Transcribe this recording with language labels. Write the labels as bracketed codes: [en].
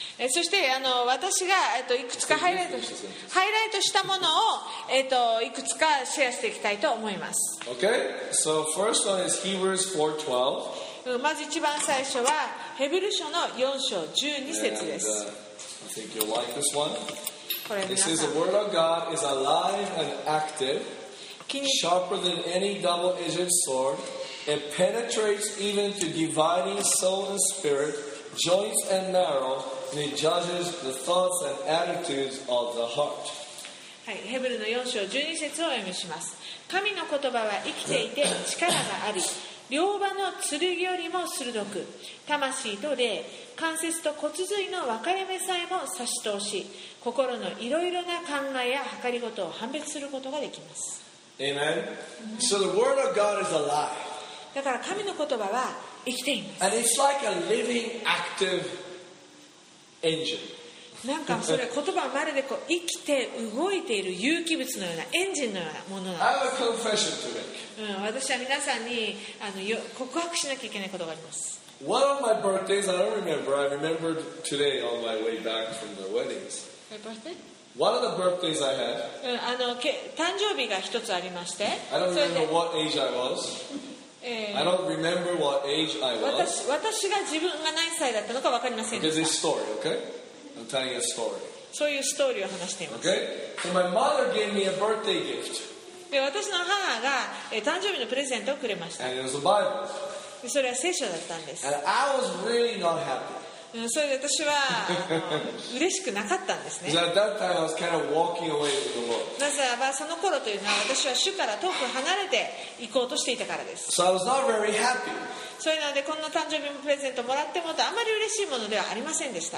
[ja] そして私がいくつかハイライトしたものをいくつかシェアしていきたいと思います。 [en] Okay, so first one is Hebrews 4:12. [ja] まず一番最初はヘブル書の4章12節です。 [en] I think you'll like this one. [ja] これ皆さん。 [en] This is the word of God is alive and active, sharper than any double-edged sword. It penetrates even to dividing soul and spirit, joints and marrow. And it judges the thoughts and attitudes of the heart. [ja] はい、ヘブルの4章12節を読みします。神の言葉は生きていて力があり、両刃の剣よりも鋭く、魂と霊、関節と骨髄の分かれ目さえも差し通し、心のいろいろな考えや計りごとを判別することができます。 [en] Amen. So the word of God is alive. [ja] だから神の言葉は生きています。 [en] And it's like a living, active. [ja] なんかそれ言葉はまるでこう生きて動いている有機物のようなエンジンのようなものなんです。 [en] I have a confession to make. [ja] 私は皆さんに告白しなきゃいけないことがあります。 [en] One of my birthdays, I don't remember. I remembered today on my way back from the weddings. One of the birthdays I had. [ja] 誕生日が一つありまして。 [en] I don't remember what age I was. I don't remember what age I was. [ja] 私が自分が何歳だったのか分かりませんでした。 [en] It's a story, okay? I'm telling you a story. [ja] そういうストーリーを話しています。 [en] Okay? So my mother gave me a birthday gift. [ja] で、私の母が誕生日のプレゼントをくれました。 [en] And it was a Bible. [ja] で、それは聖書だったんです。 [en] And I was really not happy. [ja] それで私は嬉しくなかったんですね。 [en] Because at that time I was kind of walking away from the Lord. [ja] なぜならその頃というのは私は主から遠く離れて行こうとしていたからです。 [en] So I was not very happy. [ja] それなのでこんな誕生日プレゼントもらってもとあまり嬉しいものではありませんでした。